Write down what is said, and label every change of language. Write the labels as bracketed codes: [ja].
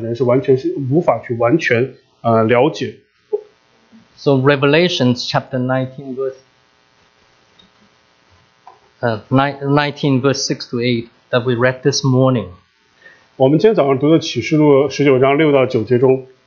[zh] 所以这样的一个前景呢，是我们作为一个地上的人，是完全是无法去完全了解。 [en] So Revelation chapter 19 verse 6 to 8 that we read this morning. [zh] 我们今天早上读的启示录19章6到9节中。